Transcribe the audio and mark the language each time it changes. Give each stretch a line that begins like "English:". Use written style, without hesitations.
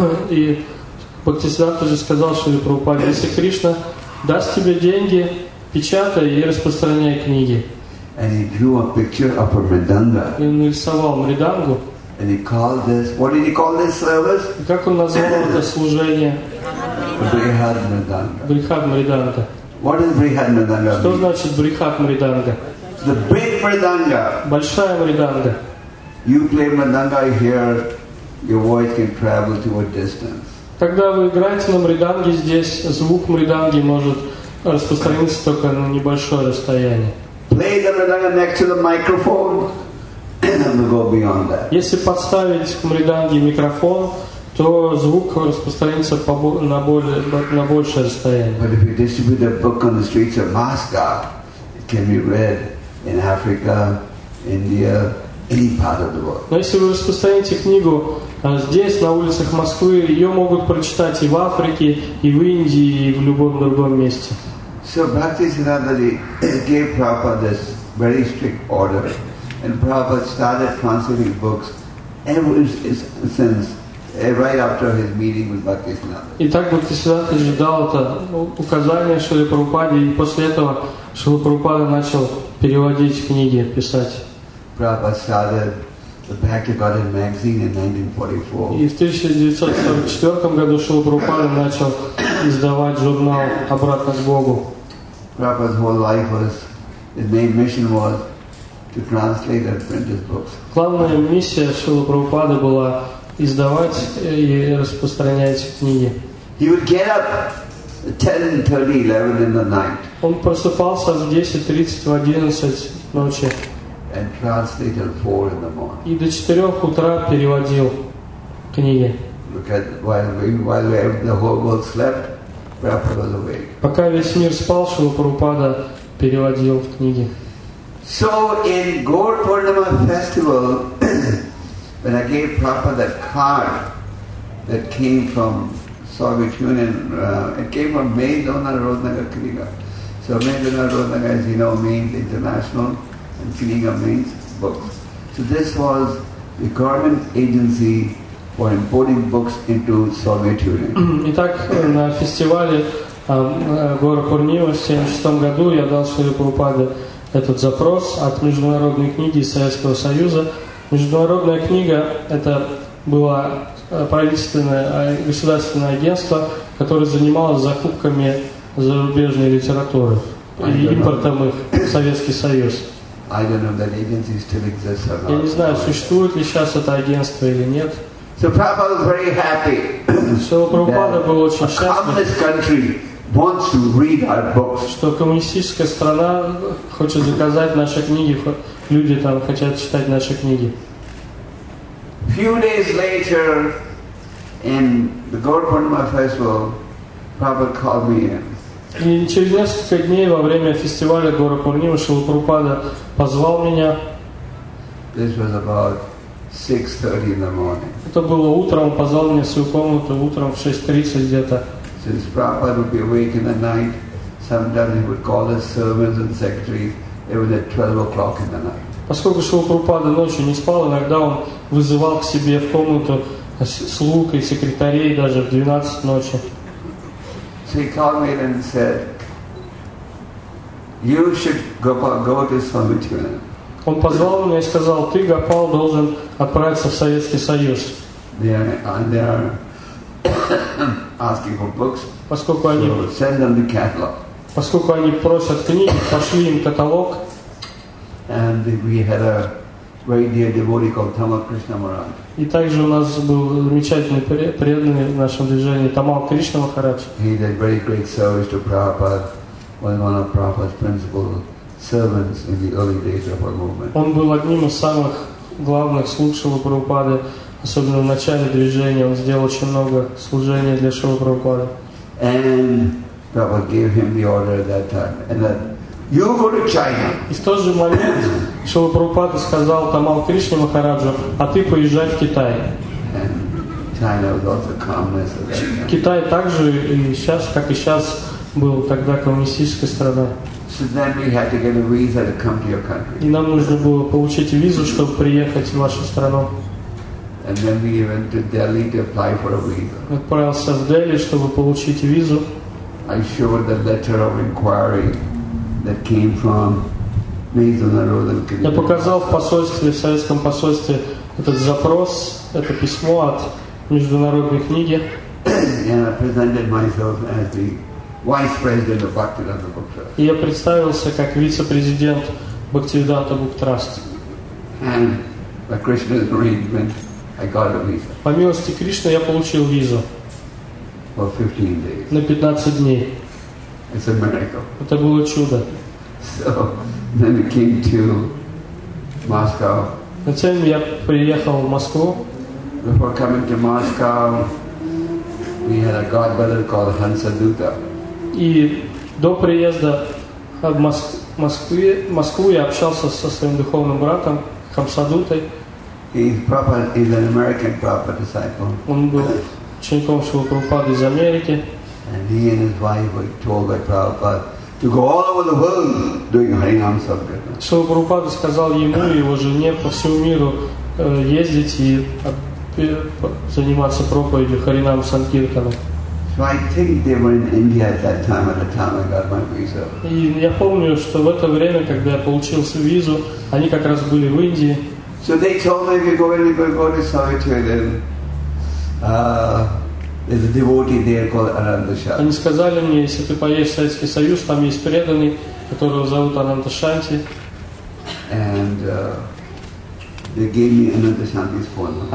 Russian: И Бхактисиддханта Ji сказал Шри Прабхупаде, если Кришна даст тебе деньги, печатай и распространяй книги.
English: And he drew a picture of a Мриданга.
Russian: И он нарисовал Мридангу.
English: And he called this, what did he call this service?
Russian: Как он назвал это служение? Брихад Мриданга. Брихад Мриданга.
English: What is Брихад Мриданга?
Russian: Что значит Брихад Мриданга?
English: The big Мриданга.
Russian: Большая Мриданга.
English: You play mridanga here, your voice can travel to a distance.
Russian: Когда вы играете на мриданге здесь, звук мриданги может распространиться только на небольшое расстояние.
English: Play the mridanga next to the microphone, and then we'll go beyond that.
Russian: Если подставить к мриданге микрофон, то звук распространится на большее расстояние.
English: But if you distribute a book on the streets of Moscow, it can be read in Africa, India.
Russian: Но если вы распространите книгу здесь, на улицах Москвы, ее могут прочитать и в Африке, и в Индии, и в любом другом месте.
English: So Bhaktisiddhanta Ji gave Prabhupada this very strict order, and Prabhupada started translating books right after his meeting with Bhaktisiddhanta.
Russian: Итак, Бхактисиддханта Ji дал это указание Шри Прабхупаде, и после этого Шри Прабхупада начал переводить книги, писать.
English: Prabhupada started the Bhaktivedanta magazine in 1944.
Russian: И в 1944 году Шрила Прабхупада начал издавать журнал «Обратно к Богу».
English: Prabhupada's whole life was, his main mission was to translate and print his books.
Russian: Главная миссия Шрила Прабхупада была издавать и распространять книги.
English: He would get up at 10:30, 11 in the night.
Russian: Он просыпался в 10:30, в 11 ночи.
English: And translated 4 in the morning.
Russian: И до 4 утра переводил книги.
English: While the whole world slept, Prabhupada was awake.
Russian: Пока весь мир спал, Шрила Прабхупада переводил книги.
English: So in Gaur Purnima festival, when I gave Prabhupada that card that came from Soviet Union, it came from Mehdona Rodnagar Kniga. So Mehdona Rodnagar, as you know, means international. Kniga means books. So this was the government agency for importing books into Soviet Union.
Russian: Итак, на фестивале Гора Пурнива в 76 году я дал Шриле Прабхупаде этот запрос от международной книги Советского Союза. Международная книга — это было правительственное государственное агентство, которое занималось закупками зарубежной литературы и импортом их в Советский Союз.
English: I don't know if that agency still exists or not.
Russian: Я не знаю, существует ли сейчас это агентство или нет.
English: So Prabhupada was very happy. So
Russian: Prabhupada был очень счастлив.
English: A communist country wants to read our books.
Russian: Что коммунистическая страна хочет заказать наши книги, люди там хотят читать наши книги.
English: Few days later, in the Gaur Purnima festival, Prabhupada called me in.
Russian: И через несколько дней во время фестиваля Гора Пурнима Шрила Прабхупада позвал меня.
English: This was about 6:30 in the morning.
Russian: Это было утром, он позвал меня в свою комнату утром в 6:30 где-то.
English: Since Prabhupada would be awake in the night, sometimes he would call his servants and secretary even at 12:00 in the night.
Russian: Поскольку Шрила Прабхупада ночью не спал, иногда он вызывал к себе в комнату слуг и секретарей даже в 12 ночи.
English: So he called me and said, "You should go to Soviet Union."
Russian: Он позвал меня и сказал, "Ты, Гопал, должен отправиться в Советский Союз."
English: They are asking for books.
Russian: Поскольку они
English: so send them the catalog.
Russian: Поскольку они просят книги, пошли им каталог.
English: And we had a very dear devotee called Tamal Krishna Maharaj.
Russian: И также у нас был замечательный преданный в нашем движении Тамал Кришна Махарадж.
English: He did very great service to Prabhupada, was one of Prabhupada's principal servants in the early days of our movement.
Russian: Он был одним из самых главных слуг Шрилы Прабхупады, особенно в начале движения. Он сделал очень много служения для Шрилы Прабхупады.
English: And Prabhupada gave him the order at that time. And that, you go to China.
Russian: И в тот же момент Шрила Прабхупада сказал Тамал Кришне Махараджу, а ты поезжай в Китай.
English: And China was also communist.
Russian: Китай также и сейчас, как и сейчас, был тогда коммунистической страной.
English: So then we had to get a visa to come to your country.
Russian: И нам нужно было получить визу, чтобы приехать в вашу страну.
English: And then we went to Delhi to apply for a visa.
Russian: Отправился в Дели, чтобы получить визу.
English: I showed the letter of inquiry that came from Mesa Narodan Kirtan.
Russian: Я показал в посольстве, в советском посольстве этот запрос, это письмо от международной книги.
English: And I presented myself as the vice president of Bhaktivedanta Book Trust.
Russian: И я представился как вице-президент Bhaktivedanta Book Trust.
English: And by Krishna's arrangement, I got a visa.
Russian: По милости Кришны я получил визу.
English: For 15 days.
Russian: На 15 дней.
English: It's a miracle.
Russian: Это было чудо.
English: So then we came to Moscow.
Russian: Затем я приехал в Москву.
English: Before coming to Moscow, we had a godbrother called Hansa Dutta.
Russian: И до приезда в Москву я общался со своим духовным братом Хамса Дутой.
English: He's an American proper disciple.
Russian: Он был учеником Шрилы Прабхупады из Америки.
English: And he and his wife were told by Prabhupada to go all over the world doing Harinam Sankirtan. So
Russian: Prabhupada сказал ему и его жене по всему миру ездить и заниматься проповедью Харинам Санкиртана.
English: So I think they were in India at the time I got my visa.
Russian: И я помню, что в это время, когда я получил свою визу, они как раз были в Индии.
English: So they told me, if you go to Soviet Union, there's a devotee there called Ananta Shanti.
Russian: Они сказали мне, если ты поедешь в Советский Союз, там есть преданный, которого зовут Ананта Шанти.
English: And they gave me Ananta Shanti's phone number.